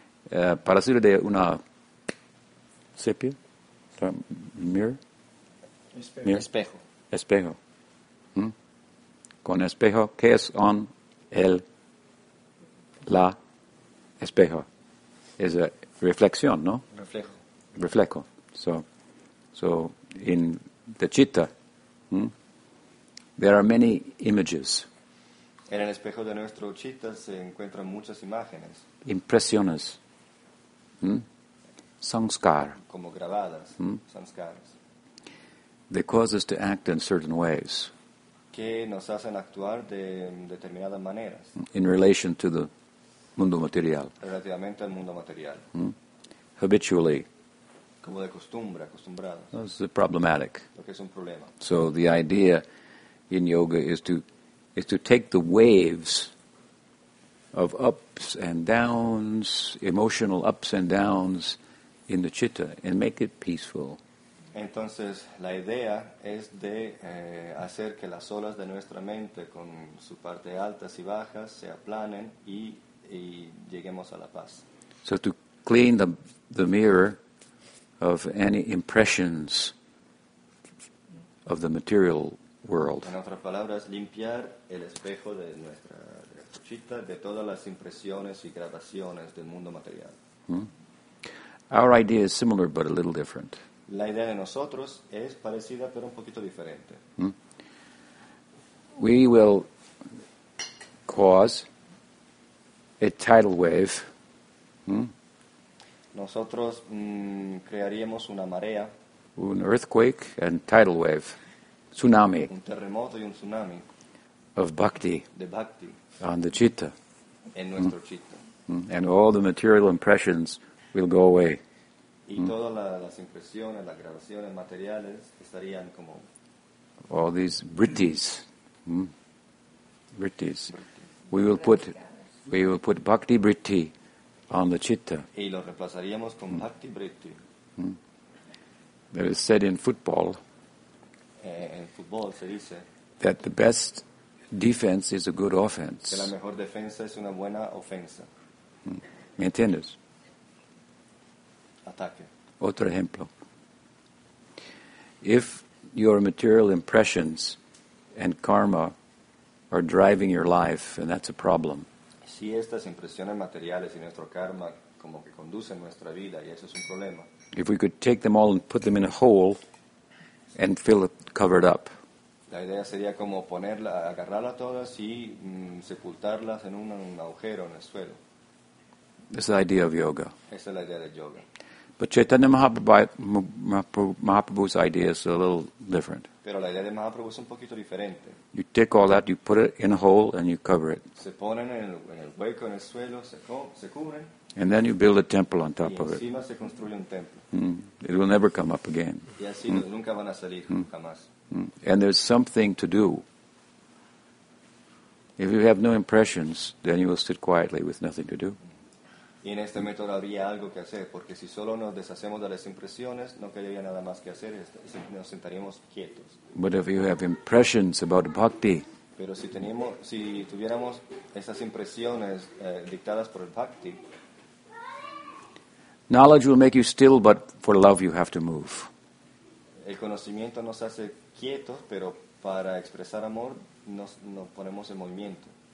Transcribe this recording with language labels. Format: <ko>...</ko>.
<es>Para decir de una sepia, mirror? Espejo. Espejo. Con espejo, ¿qué es on el la espejo? Is a reflexión, no? Reflejo.</es> <en>So in the chitta, there are many images.</en> <es>En el espejo de nuestro chitta se encuentran muchas imágenes. Impresiones. Sanskar. Como grabadas. Sanskaras.</es> <en>They cause us to act in certain ways.</en> <es>Que nos hacen actuar de determinadas maneras.</es> <en>In relation to the</en> <es>mundo material. Relativamente al mundo material.</es> <en>Habitually.</en> <es>Como de costumbre, acostumbrado.</es> <en>This is problematic.</en> <es>Porque es un problema.</es> <en>So the idea in yoga is to take the waves of ups and downs, emotional ups and downs in the chitta and make it peaceful.</en> <es>Entonces, la idea es de hacer que las olas de nuestra mente con su parte altas y bajas se aplanen y lleguemos a la paz.</es> <en>So to clean the mirror of any impressions of the material world.</en> <es>En otras palabras, limpiar el espejo de nuestra chita de todas las impresiones y grabaciones del mundo material.</es> <en>Our idea is similar but a little different.</en> <es>La idea de nosotros es parecida pero un poquito diferente.</es> <en>We will cause a tidal wave.</en> <es>Nosotros crearíamos una marea.</es> <en>Un earthquake and tidal wave. Tsunami.</en> <es>Un terremoto y un tsunami.</es> <en>Of bhakti.</en> <es>De bhakti.</es> <en>On the chitta.</en> <es>En nuestro chitta.</es> <en>And all the material impressions will go away.</en> <es>Y todas las impresiones, las grabaciones materiales estarían como...</es> <en>All these vrittis. Vrittis. We will put bhakti vritti on the chitta.</en> <es>Y lo reemplazaríamos con bhakti vritti.</es> <en>That is said in football.</en> <es>En fútbol se dice</es> <en>that the best defense is a good offense.</en> <es>Que la mejor defensa es una buena ofensa. ¿Me entiendes? Ataque. Otro ejemplo.</es> <en>If your material impressions and karma are driving your life, and that's a problem.</en> <es>Si estas impresiones materiales y nuestro karma como que conducen nuestra vida y eso es un problema.</es> <en>If we could take them all and put them in a hole and fill it, cover it up.</en> <es>La idea sería como ponerla, agarrarla todas y sepultarlas en un agujero en el suelo.</es> <en>This is the idea of yoga.</en> <es>Esa es la idea de yoga.</es> <en>But Chaitanya Mahaprabhu's idea is a little different.</en> <es>Pero la idea de Mahaprabhu es un poquito diferente.</es> <en>You take all that, you put it in a hole, and you cover it.</en> <es>Se ponen en el hueco, en el suelo, se cubren.</es> <en>And then you build a temple on top of it.</en> <es>Y encima se construye un templo.</es> <en>It will never come up again.</en> <es>Y así nunca van a salir, jamás.</es> <en>And there's something to do. If you have no impressions, then you will sit quietly with nothing to do.</en> <es>Y en este método habría algo que hacer, porque si solo nos deshacemos de las impresiones, no quedaría nada más que hacer, nos sentaríamos quietos.</es> <en>But if you have impressions about bhakti,</en> <es>pero si tenemos, si tuviéramos estas impresiones dictadas por el bhakti,</es> <en>knowledge will make you still, but for love you have to move.</en> <es>El conocimiento nos hace quietos, pero para expresar amor nos ponemos en movimiento.</es>